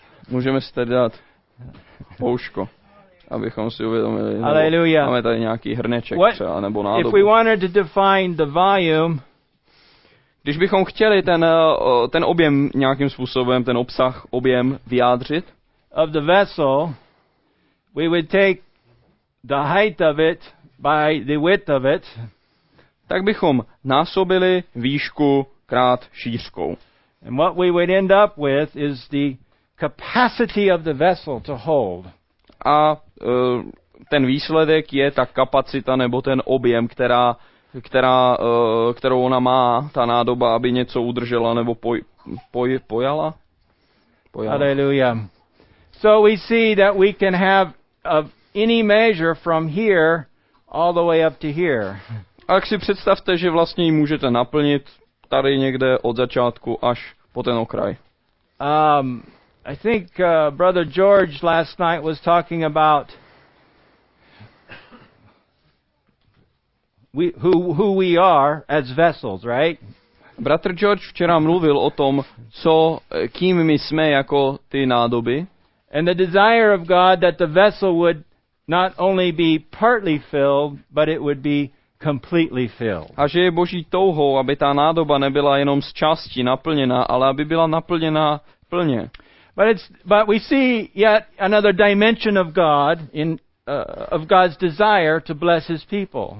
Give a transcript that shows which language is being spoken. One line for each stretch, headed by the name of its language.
Czech: Můžeme si tady dát pouško, abychom si uvědomili. Hallelujah. Máme tady nějaký hrneček třeba, nebo nádobu.
English: If we wanted to define the volume,
Czech: když bychom chtěli ten objem nějakým způsobem, ten obsah, objem vyjádřit,
English: of the vessel, we would take the height of it by the width of it,
Czech: tak bychom násobili výšku krát šířkou.
English: And what we would end up with is the capacity of the vessel to hold.
Czech: A ten výsledek je ta kapacita nebo ten objem, kterou ona má, ta nádoba, aby něco udržela nebo pojala. Hallelujah.
English: So we see that we can have of any measure from here all the way up to here.
Czech: A tak si představte, že vlastně ji můžete naplnit tady někde od začátku až po ten okraj.
English: I think brother George last night was talking about who we are as vessels, right?
Czech: Bratr George včera mluvil o tom, co kým my jsme jako ty nádoby.
English: And the desire of God that the vessel would not only be partly filled, but it would be completely filled.
Czech: A že je Boží touhou, aby ta nádoba nebyla jenom z části naplněna, ale aby byla naplněna plně.
English: But we see yet another dimension of God in of God's desire to bless his people.